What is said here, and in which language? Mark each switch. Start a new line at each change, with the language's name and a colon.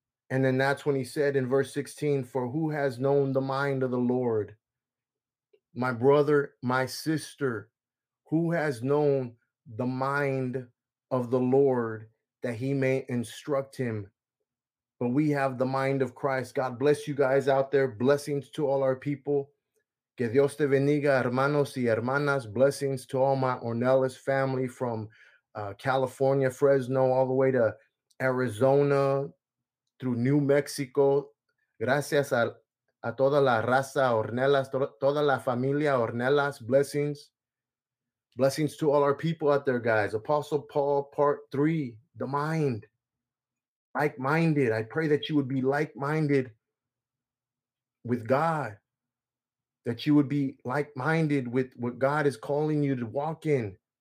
English: And then that's when he said in verse 16, for who has known the mind of the Lord? My brother, my sister, who has known the mind of the Lord that he may instruct him? But we have the mind of Christ. God bless you guys out there. Blessings to all our people.
Spanish: Que Dios te bendiga, hermanos y hermanas.
English: Blessings to all my Ornelas family from California, Fresno, all the way to Arizona, through New Mexico.
Spanish: Gracias a toda la raza Ornelas, toda la familia Ornelas.
English: Blessings. Blessings to all our people out there, guys. Apostle Paul, part 3, the mind. Like-minded. I pray that you would be like-minded with God, that you would be like-minded with what God is calling you to walk in,